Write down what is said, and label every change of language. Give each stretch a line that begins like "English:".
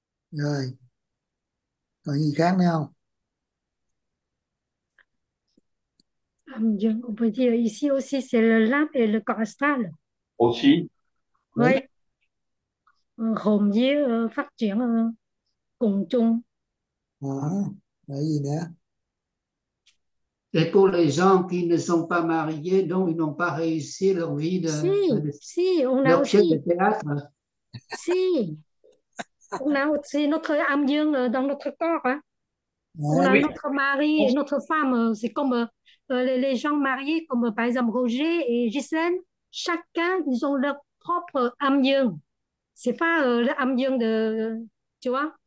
Vietnamese: Rồi. Còn gì khác nữa không?
French: On peut dire ici aussi, c'est le limbe et le corps astral. Aussi, Oui. oui.
Vietnamese: Hồn vía phát triển cùng chung. Là gì nữa?
French: Et pour les gens qui ne sont pas mariés, donc ils n'ont pas réussi leur vie Si, de on a leur pièce de aussi. théâtre. Si, on a aussi notre âme dương dans notre corps. Hein. On a Oui. notre mari et notre femme. C'est comme les gens mariés, comme par exemple Roger et Gisèle, chacun, ils ont leur propre âme dương. C'est pas l'âme dương de, tu vois?